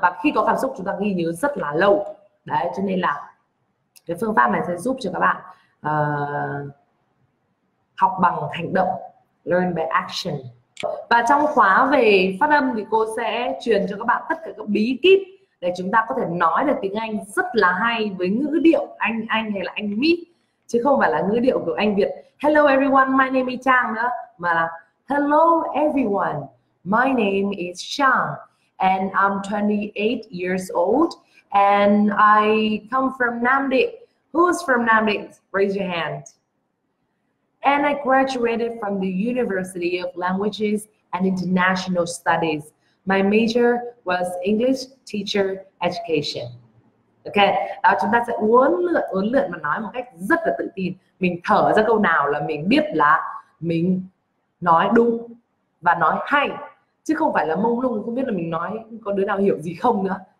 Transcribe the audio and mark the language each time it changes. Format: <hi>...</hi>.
<vi>Và khi có cảm xúc chúng ta ghi nhớ rất là lâu. Đấy, cho nên là cái phương pháp này sẽ giúp cho các bạn học bằng hành động,</vi> <en>learn by action.</en> <vi>Và trong khóa về phát âm thì cô sẽ truyền cho các bạn tất cả các bí kíp để chúng ta có thể nói được tiếng Anh rất là hay với ngữ điệu Anh hay là Anh Mỹ, chứ không phải là ngữ điệu của Anh Việt.</vi> <en>Hello everyone, my name is Trang</en> <vi>nữa, mà là</vi> <en>hello everyone, my name is Trang and I'm 28 years old and I come from Nam Định. Who's from Nam Định? Raise your hand. And I graduated from the University of Languages and International Studies. My major was English Teacher Education.</en> <vi>Ok, đó, chúng ta sẽ uốn lượn mà nói một cách rất là tự tin. Mình thở ra câu nào là mình biết là mình nói đúng và nói hay, chứ không phải là mông lung, không biết là mình nói có đứa nào hiểu gì không nữa.</vi>